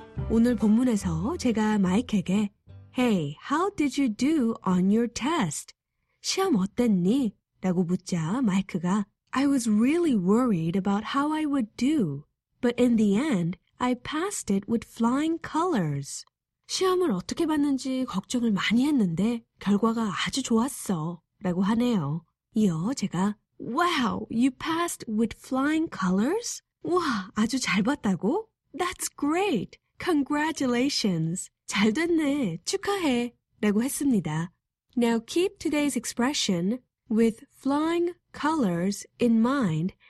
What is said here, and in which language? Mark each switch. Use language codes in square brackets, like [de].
[ko] 오늘 본문에서 제가 마이크에게 [en] Hey, how did you do on your test? [ko] 시험 어땠니? 라고 묻자 마이크가 [en] I was really worried about how I would do, but in the end, I passed it with flying colors. [ko] 시험을 어떻게 봤는지 걱정을 많이 했는데 결과가 아주 좋았어 라고 하네요. 이어 제가 [en] Wow, you passed with flying colors? [ko] 와, 아주 잘 봤다고? [en] That's great. Congratulations. [ko] 잘 됐네. 축하해. 라고 했습니다. [en] Now keep today's expression with flying colors in mind